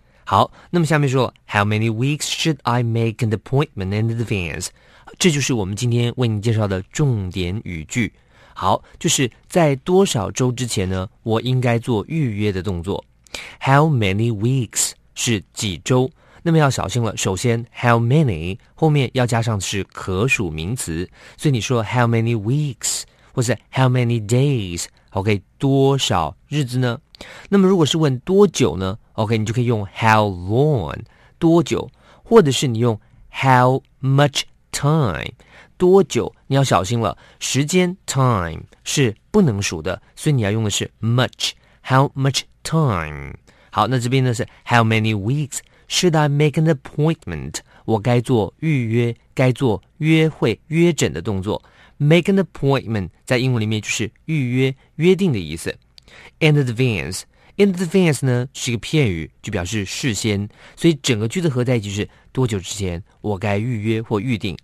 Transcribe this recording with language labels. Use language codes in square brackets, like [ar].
[zh] 好，那么下面说 [en] ,How many weeks should I make an appointment in advance? [zh] 这就是我们今天为你介绍的重点语句。好，就是在多少周之前呢，我应该做预约的动作。 [en] How many weeks? [zh] 是几周，那么要小心了。首先 ，how many 后面要加上的是可数名词，所以你说 [en] how many weeks [zh] 或是 [en] how many days， [zh] OK， 多少日子呢？那么如果是问多久呢 ？OK， 你就可以用 [en] how long [zh] 多久，或者是你用 [en] how much time [zh] 多久，你要小心了。时间 time 是不能数的，所以你要用的是 much， [en] how much time。 [zh] 好，那这边呢是 [en] How many weeks should I make an appointment? [zh] 我该做预约，该做约会、约诊的动作。 [en] Make an appointment [zh] 在英文里面就是预约、约定的意思。 [en] In advance, in advance [zh] 呢是一个片语，就表示事先。所以整个句子合在一起是多久之前我该预约或预定。